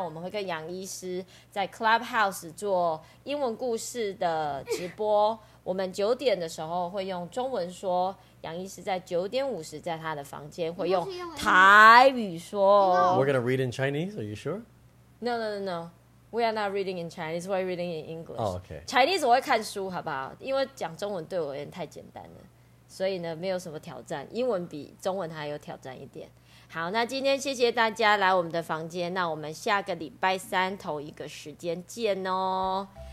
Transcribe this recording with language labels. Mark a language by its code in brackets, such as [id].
[zh] 谢谢今天所有杨医师的粉丝，有很多新朋友。那新朋友跟大家介绍一下，从今天开始呢，每个礼拜三我们会跟杨医师在 Clubhouse 做英文故事的直播。我们9点的时候会用中文说。杨医师在9:50在他的房间会用台语说。 [en] We're gonna read in Chinese. Are you sure? No, no, no, no. We are not reading in Chinese. We are reading in English. Oh, okay. [zh] Chinese 我会看书，好不好？因为讲中文对我有点太简单了，所以呢，没有什么挑战。英文比中文还要挑战一点。好，那今天谢谢大家来我们的房间。那我们下个礼拜三同一个时间见哦。